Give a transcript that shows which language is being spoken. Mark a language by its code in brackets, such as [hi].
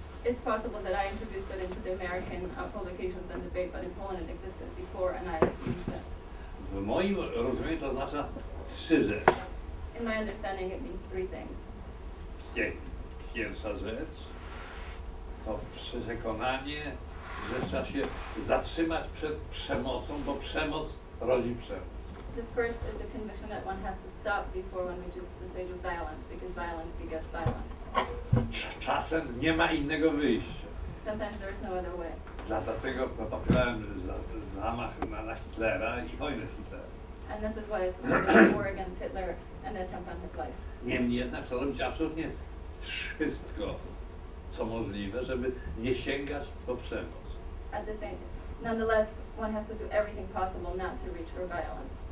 [en] It's possible that I introduced it into the American publications and debate, but in Poland it existed before and I used it. [pl] W moim rozumieniu to oznacza trzy rzeczy. [en] In my understanding it means three things. [pl] Pierwsza rzecz to przekonanie, że trzeba się zatrzymać przed przemocą, bo przemoc rodzi przemoc. [en] The first is the conviction that one has to stop before one reaches the stage of violence, because violence begets violence. [pl] Czasem nie ma innego wyjścia. [en] Sometimes there is no other way. [pl] Dlatego popierałem zamach na Hitlera i wojnę z Hitlerem. [en] And this is why I supported war against Hitler and the attempt on his life. [pl] Niemniej jednak trzeba robić absolutnie wszystko, co możliwe, żeby nie sięgać po przemoc. [en] At the same, nonetheless, one has to do everything possible not to reach for violence.